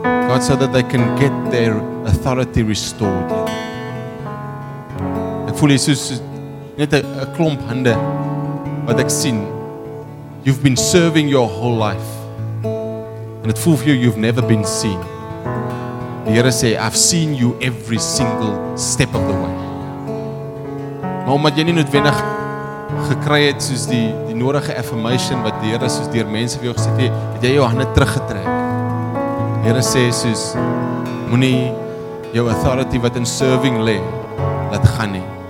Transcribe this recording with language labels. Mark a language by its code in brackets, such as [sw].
[en] God, so that they can get their authority restored. [af] Ek voel Jesus net 'n klomp hande wat ek sien. [en] You've been serving your whole life. And it feels for you you've never been seen. [af] Die Here sê, [en] I've seen you every single step of the way. [af] Maar omdat jy nie noodwendig gekry het soos die nodige affirmation wat die Here soos deur mense vir jou gesê het, het jy jou hande teruggetrek. Die Here sê soos moenie jou authority wat in serving lê laat gaan nie.